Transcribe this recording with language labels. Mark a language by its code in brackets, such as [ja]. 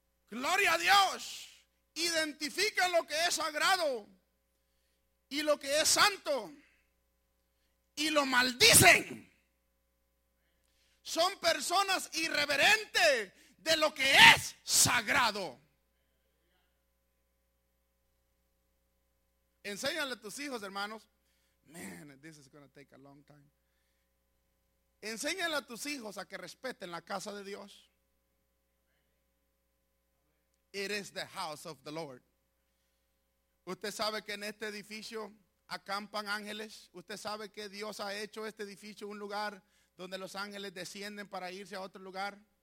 [es] Gloria a Dios. Identifican lo que es sagrado y lo que es santo. Y lo maldicen. Son personas irreverentes de lo que es sagrado. Enséñale a tus hijos, hermanos. [en] Man, this is going to take a long time. [es] Enséñale a tus hijos a que respeten la casa de Dios. [en] It is the house of the Lord. [es] Usted sabe que en este edificio acampan ángeles. Usted sabe que Dios ha hecho este edificio un lugar donde los ángeles descienden para irse a otro lugar.